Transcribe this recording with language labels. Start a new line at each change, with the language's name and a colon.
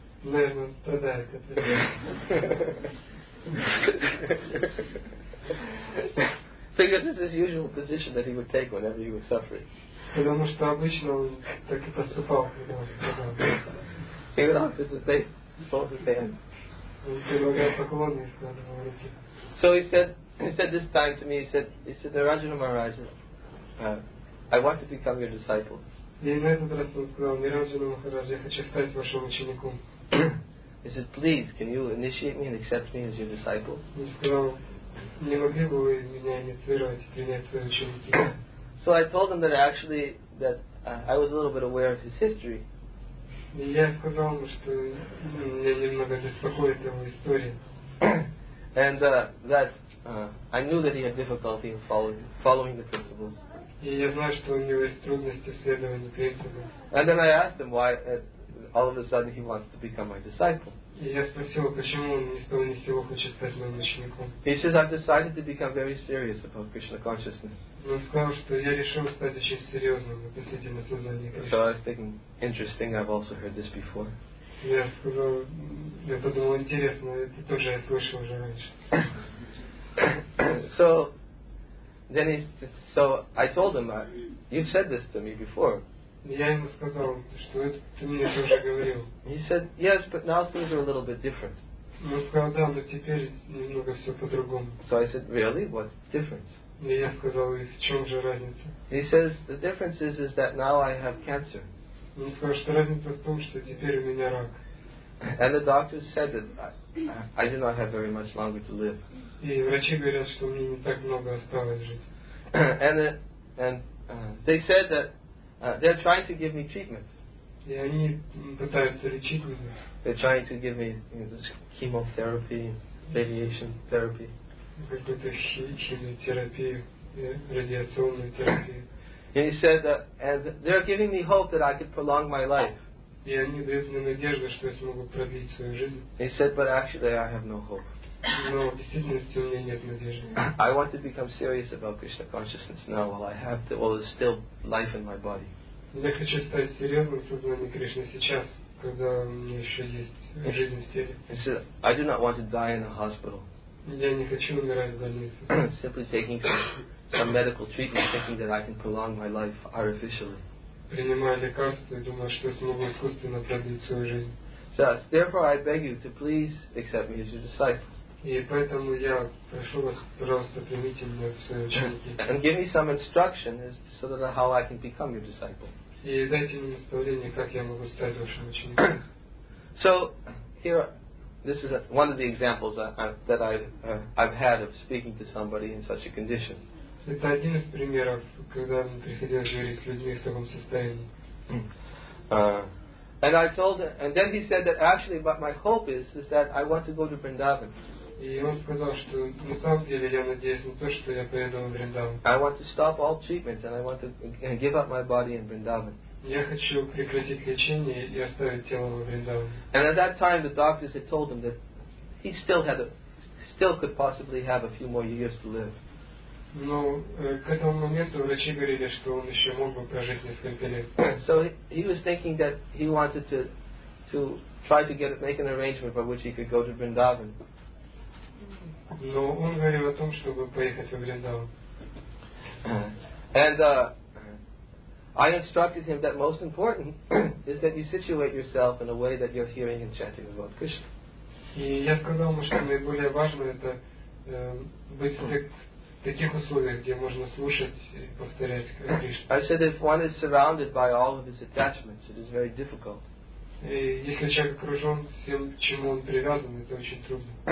Russian: Наверное, он страдает от этого.
English: Because it's his usual position that he would take whenever he was suffering.
Russian: Потому что обычно он так и поступал, когда он страдал.
English: He would offer his face, fold his hands.
Russian: Он предлагал поклоны и складывал руки.
English: So he said, this time to me, he said, Narayana Maharaj, I want to become your disciple.
Russian: И на этот раз он сказал, Narayana Maharaj, я хочу стать вашим учеником.
English: He said, please, can you initiate me and accept me as your disciple?
Russian: Он сказал, не могли бы вы меня инициировать и принять свои ученики?
English: So I told him that actually, that I was a little bit aware of his history.
Russian: И я сказал ему, что меня немного беспокоит его история.
English: And that I knew that he had difficulty in following the principles.
Russian: И я знаю, что у него есть трудности в следовании принципам.
English: And then I asked him why all of a sudden he wants to become my disciple.
Russian: И я спросил, почему он ни с того ни с сего хочет стать моим учеником.
English: He says, I've decided to become very serious about Krishna consciousness.
Russian: Он сказал, что я решил стать очень серьезным относительно сознания Кришны.
English: So I was thinking, interesting, I've also heard this before.
Russian: Я сказал, я подумал, интересно, это тоже я слышал уже раньше.
English: So, then he, so I told him, you've said this to me before.
Russian: Я ему сказал, что это ты мне тоже говорил.
English: He said, yes, but now things are a little bit different.
Russian: Он сказал, да, но теперь немного все по-другому.
English: So I said, really, what's the difference?
Russian: И я сказал, и в чем же разница?
English: He says, the difference is that now I have cancer.
Russian: Он сказал, что разница в том, что теперь у меня рак.
English: And the doctors said that I do not have very much longer to live.
Russian: И врачи говорят, что у меня не так много осталось жить.
English: And they said that they're trying to give me treatment.
Russian: И они пытаются лечить меня.
English: They're trying to give me, you know, this chemotherapy, radiation therapy.
Russian: Какую-то химиотерапию, радиационную терапию.
English: And he said that, and they're giving me hope that I could prolong my life.
Russian: И они дают мне надежду, что я смогу продлить свою жизнь.
English: He said, but actually I have no hope.
Russian: Но в действительности у меня нет надежды.
English: I want to become serious about Krishna consciousness now while I have to, while there's still life in my body.
Russian: Я хочу стать серьезным сознанием Кришны сейчас, когда у меня еще есть жизнь в теле.
English: He said, I do not want to die in a hospital.
Russian: Я не хочу умирать в больнице.
English: Simply taking some medical treatment, thinking that I can prolong my life artificially.
Russian: Принимаю лекарства и думаю, что смогу искусственно продлить свою жизнь.
English: Thus, therefore, I beg you to please accept me as your disciple.
Russian: И поэтому я прошу вас, пожалуйста, примите меня в свои ученики.
English: And give me some instruction as to so that how I can become your disciple.
Russian: И дайте мне наставление, как я могу стать вашим учеником.
English: So, here. This is one of the examples that I've had of speaking to somebody in such a condition.
Russian: Это один из примеров, когда мне приходилось говорить с людьми в таком состоянии.
English: And I told him, and then he said that actually, but my hope is that I want to go to Vrindavan.
Russian: И он сказал, что на самом деле я надеюсь на то, что я поеду в Вриндаван.
English: I want to stop all treatment and I want to give up my body in Vrindavan.
Russian: Я хочу прекратить лечение и оставить тело в Вриндаване.
English: And at that time the doctors had told him that he still could possibly have a few more years to live.
Russian: Но к этому моменту врачи говорили, что он еще мог бы прожить несколько лет.
English: So he was thinking that he wanted to try to get make an arrangement by which he could go to Vrindavan.
Russian: Но он говорил о том, чтобы поехать в Вриндаван.
English: And I instructed him that most important is that you situate yourself in a way that you're hearing and chanting about Krishna.
Russian: И я сказал ему, что наиболее важно это быть в таких условиях, где можно слушать и повторять Кришну.
English: I said if one is surrounded by all of his attachments, it is very difficult.
Russian: Если человек окружен всем, чему он привязан, это очень трудно.